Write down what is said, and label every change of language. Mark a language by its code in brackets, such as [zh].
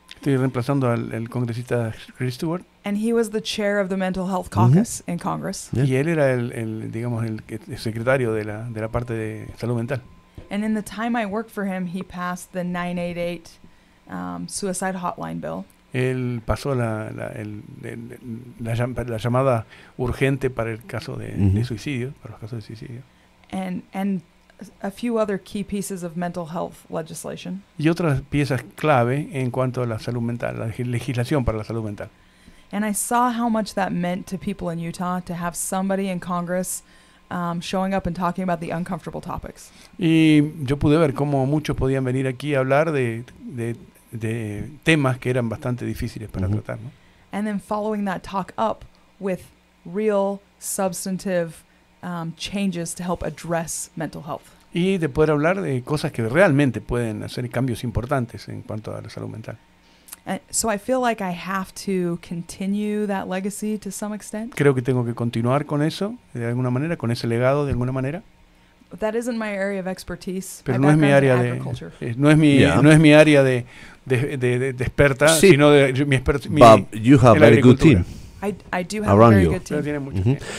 [es] Estoy reemplazando al congresista Chris Stewart. [en] And he was the chair of the Mental Health Caucus in Congress. [es] Y él era el secretario de la parte de salud mental. [en] And in the time I worked for him, he passed the 988 suicide hotline bill. [es] Él pasó la llamada urgente para el caso de suicidio, para los casos de suicidio. [en] And a few other key pieces of mental health legislation. [es] Y otras piezas clave en cuanto a la salud mental, la legislación para la salud mental. [en] And I saw how much that meant to people in Utah to have somebody in Congress showing up and talking about the uncomfortable topics. [es] Y yo pude ver cómo muchos podían venir aquí a hablar de temas que eran bastante difíciles para tratar, ¿no? [en] And then following that talk up with real substantive changes to help address mental health. [es] Y de poder hablar de cosas que realmente pueden hacer cambios importantes en cuanto a la salud mental. [en] And so I feel like I have to continue that legacy to some extent. [es] Creo que tengo que continuar con eso de alguna manera, con ese legado de alguna manera. [en] But that isn't my area of expertise. [es] Pero no es mi área de agricultura. No es mi área de experta, sí. Sino de mi experiencia. [en] Bob, you have a very good team. I do have a very good team.